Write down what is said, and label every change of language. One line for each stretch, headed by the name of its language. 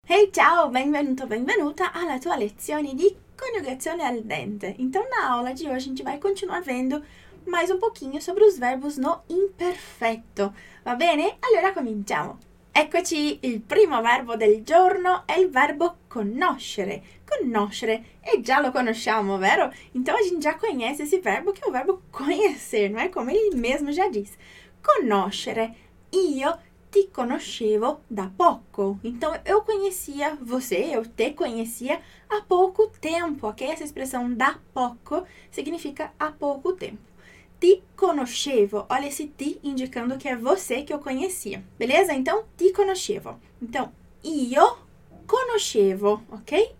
Italian: Ciao, benvenuto, benvenuta alla tua lezione di coniugazione al dente.
Portuguese: Então, na aula de hoje, a gente vai continuar vendo mais um pouquinho sobre os verbos no imperfeito,
Italian: va bene? Allora, cominciamo. Eccoci, il primo verbo del giorno è il verbo conoscere. Conoscere, e già lo conosciamo, vero?
Portuguese: Então, a gente já conhece esse verbo, que é o verbo conhecer, não é? Como ele mesmo já disse.
Italian: Conoscere, io ti conoscevo da poco.
Portuguese: Então, eu conhecia você, eu te conhecia há pouco tempo, ok? Essa expressão
Italian: da poco
Portuguese: significa há pouco tempo.
Italian: Ti conoscevo.
Portuguese: Olha esse ti indicando que é você que eu conhecia, beleza?
Italian: Então, ti conoscevo. Então, io conoscevo, ok?